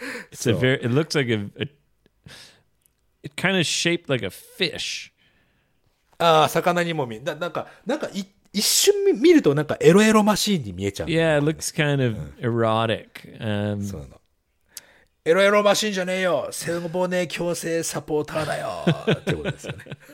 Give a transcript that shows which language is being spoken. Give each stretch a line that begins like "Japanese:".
English: It's a very, it looks like a it kind of shaped like a fish.
Japanese: ああ、魚にも見え。なんか一瞬見るとなんかエロエロマシーンに見えちゃう。
English: Yeah, it looks kind of erotic.
Japanese: そうなの。エロエロマシーンじゃねえよ。背骨強靭サポーターだよ。ってことですよね。